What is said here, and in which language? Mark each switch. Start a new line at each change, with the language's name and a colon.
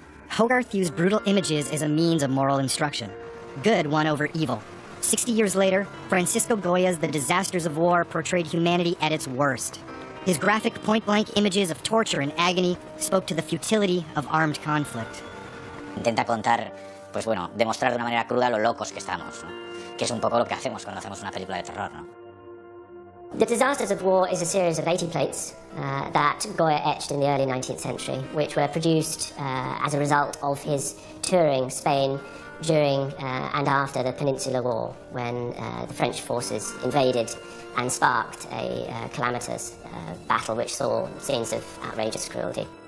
English: Hogarth used brutal images as a means of moral instruction. Good won over evil. 60 years later, Francisco Goya's The Disasters of War portrayed humanity at its worst. His graphic point-blank images of torture and agony spoke to the futility of armed conflict.
Spanish: Intenta contar, pues bueno, demostrar de una manera cruda lo locos que estamos, ¿no? Que es un poco lo que hacemos cuando hacemos una película de terror, ¿no?
English: The Disasters of War is a series of 80 plates that Goya etched in the early 19th century, which were produced as a result of his touring Spain during and after the Peninsular War, when the French forces invaded and sparked a calamitous battle which saw scenes of outrageous cruelty.